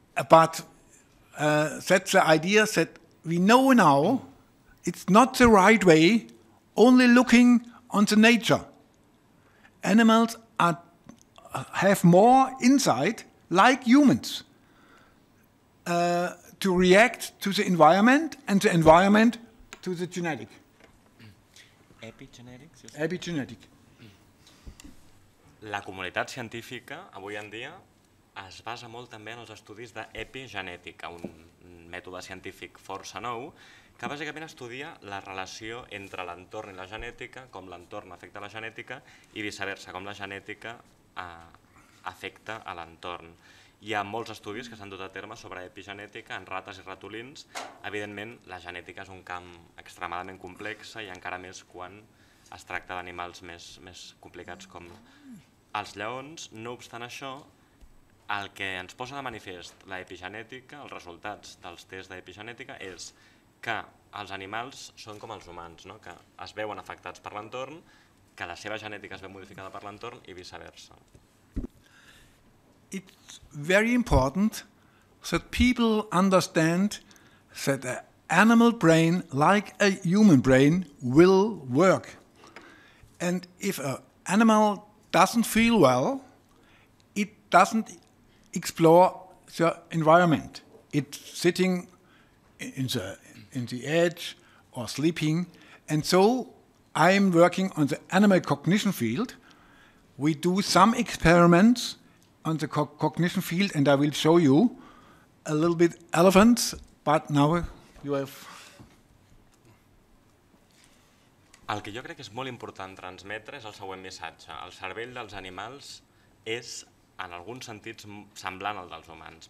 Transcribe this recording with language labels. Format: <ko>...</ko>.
<en>But that's the idea that we know now it's not the right way only looking on the nature. Animals have more insight, like humans, to react to the environment and the environment to the genetic.</en> <ca>Epigenètic. La comunitat científica avui en dia es basa molt també en els estudis d'epigenètica, un mètode científic força nou que bàsicament estudia la relació entre l'entorn i la genètica, com l'entorn afecta la genètica i viceversa, com la genètica afecta a l'entorn. Hi ha molts estudis que s'han dut a terme sobre epigenètica en rates i ratolins. Evidentment, la genètica és un camp extremadament complex i encara més quan es tracta d'animals més complicats com els lleons. No obstant això, el que ens posa de manifest l'epigenètica, els resultats dels tests d'epigenètica, és que els animals són com els humans, no? Que es veuen afectats per l'entorn, que la seva genètica es veu modificada per l'entorn i viceversa.</ca> <en>It's very important that people understand that an animal brain, like a human brain, will work. And if an animal doesn't feel well, it doesn't explore the environment. It's sitting in the edge or sleeping. And so I'm working on the animal cognition field. We do some experiments on the cognition field, and I will show you a little bit elephants, but now you have...</en> <ca>El que jo crec que és molt important transmetre és el següent missatge. El cervell dels animals és, en alguns sentits, semblant al dels humans.</ca>